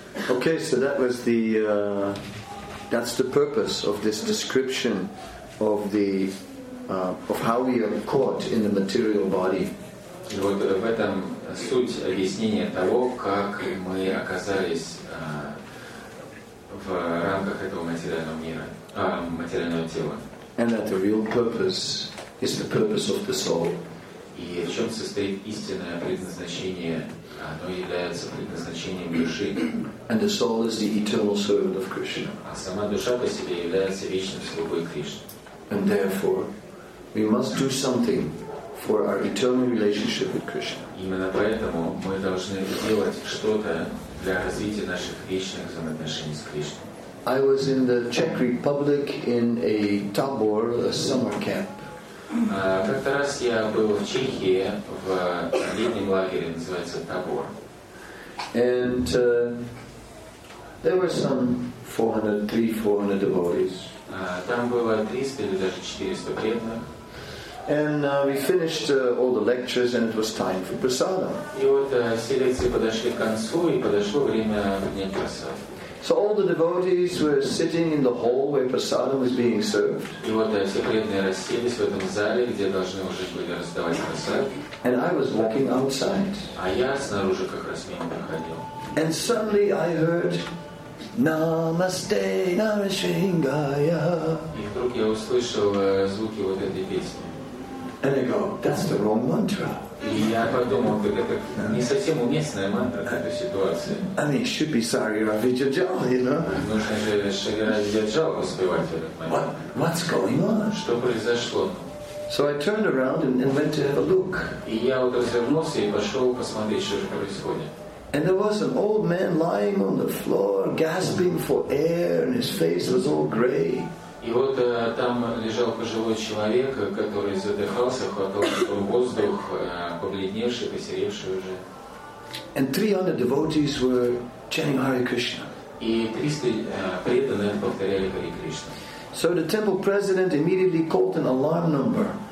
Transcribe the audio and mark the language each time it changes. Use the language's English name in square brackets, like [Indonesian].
[English] Okay, so that was the that's the purpose of this description of the of how we are caught in the material body. [Russian] И вот в этом суть объяснения того, как мы оказались в рамках этого материального мира, материального тела. [English] And that the real purpose is the purpose of the soul. [Russian] И в чем состоит истинное предназначение? Оно является предназначением души. [English] And the soul is the eternal servant of Krishna. [Russian] А сама душа по себе является вечным слугой Кришны. [English] And therefore, we must do something for our eternal relationship with Krishna. [Russian] Именно поэтому мы должны сделать что-то для развития наших вечных взаимоотношений с Кришной. [English] I was in the Czech Republic in a Tabor, a summer camp. [Russian] Как-то раз я был в Чехии в летнем лагере, называется Tabor. [English] And there were some 400 devotees. [Russian] Там было 300 или даже 400 преданных. [English] And we finished all the lectures, and it was time for prasadam. [Russian] И вот все лекции подошли к концу, и подошло время поднять прасад. [English] So all the devotees were sitting in the hall where prasadam was being served. [Russian] И вот все преданные расселись в этом зале, где должны уже были раздавать прасад. [English] And I was walking outside. [Russian] А я снаружи как раз мимо проходил. [English] And suddenly I heard Namaste, Narasimhaya. [Russian] И вдруг я услышал звуки вот этой песни. [English] And I go, that's the wrong mantra. [Russian] И я подумал, это не совсем уместная мантра в этой ситуации. [English] I mean, it should be Sri Ravi Jajal, you know. [Russian] Нужно же Шри Джаджал успевать этот момент. [English] What's going on? [Russian] Что произошло? [English] So I turned around and went to have a look. [Russian] И я вот развернулся и пошел посмотреть, что же происходит. [English] And there was an old man lying on the floor, gasping for air, and his face was all gray. [Russian] И вот там лежал пожилой человек, который задыхался, хватал воздух, побледневший, посеревший уже. [English] And 300 devotees were chanting Hare Krishna. [Russian] И 300 преданных повторяли Hare Krishna. [English] So the temple president immediately called an alarm number.